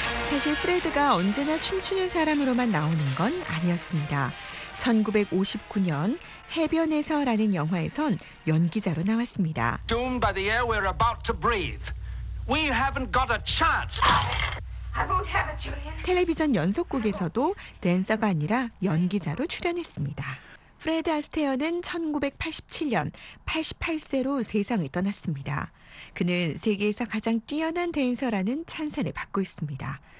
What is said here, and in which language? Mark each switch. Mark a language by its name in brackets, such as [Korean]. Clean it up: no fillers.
[Korean] 사실 프레드가 언제나 춤추는 사람으로만 나오는 건 아니었습니다. 1959년 해변에서라는 영화에선 연기자로 나왔습니다. [English] Doomed by the air we're about to breathe. We haven't got a chance. [Korean] 텔레비전 연속극에서도 댄서가 아니라 연기자로 출연했습니다. 프레드 아스테어는 1987년 88세로 세상을 떠났습니다. 그는 세계에서 가장 뛰어난 댄서라는 찬사를 받고 있습니다.